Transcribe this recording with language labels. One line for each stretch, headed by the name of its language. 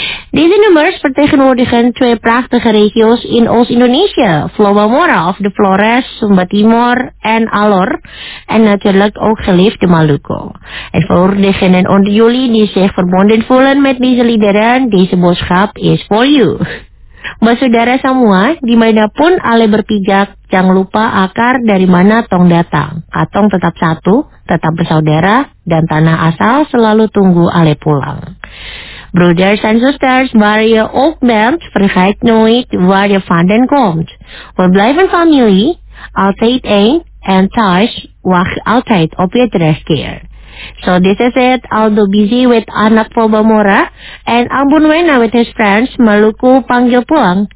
Dutch: Deze nummers vertegenwoordigen twee prachtige regio's in Oost-Indonesië. Vloba Mora of de Flores, Sumba Timor en Alor. En natuurlijk ook geliefde Maluku. En voor degenen onder jullie die zich verbonden voelen met deze liederen, deze boodschap is
English: for you.
Indonesian: Basudara semua, dimanapun ale berpijak, jangan lupa akar dari mana tong datang. Katong tetap satu, tetap bersaudara, dan tanah asal selalu tunggu ale pulang.
English: Brothers and sisters,
Dutch: waar je ook bent, vergeet nooit waar je vandaan komt. We blijven familie, altijd één, en thuis, wacht altijd op je terugkeer.
English: So this is it, Aldo Bizi with Anak Vloba Mora, and Ambon Wena with his friends, Maluku Panggil Pulang.